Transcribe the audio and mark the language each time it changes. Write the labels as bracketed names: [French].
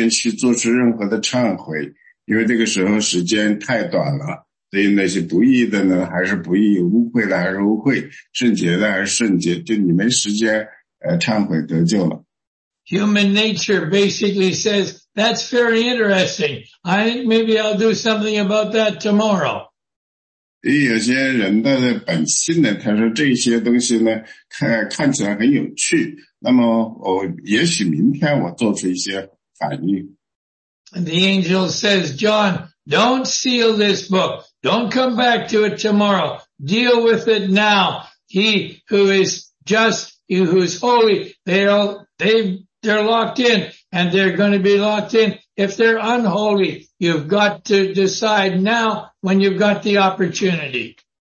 [Chinese] 这里第十节讲的，因为日期近了，因为死亡的日期近了，你归向主的日期也近了，所以这个时候呢，你没有时间去做出任何的改变，你没有时间去做出任何的忏悔。因为这个时候时间太短了，所以那些不义的呢，还是不义，污秽的还是污秽，圣洁的还是圣洁，就你没时间，忏悔得救了。 [English] Human nature basically says, that's very interesting. I think maybe I'll do something about that tomorrow. [Chinese] 有些人的本性呢，他说这些东西呢，看起来很有趣，那么我也许明天我做出一些反应。 [English] And the angel says, John, don't seal this book. Don't come back to it tomorrow. Deal with it now. He who is just, he who is holy, they're locked in, and they're going to be locked in. If they're unholy, you've got to decide now when you've got the opportunity.